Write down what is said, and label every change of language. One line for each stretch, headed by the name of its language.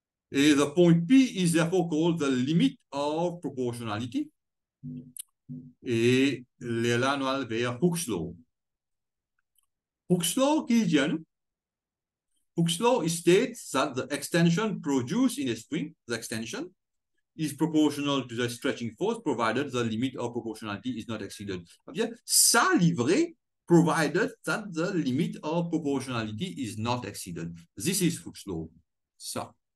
English: is the point P is therefore called the limit of proportionality.
French: Et les là nous allons vers Hooke's law. Hooke's law qui est bien.
English: Hooke's law states that the extension produced in a spring, the extension, is proportional to the stretching force provided the limit of proportionality is not exceeded. Bien, ça livré provided that the limit of proportionality is not exceeded. This is Hooke's law. Ça.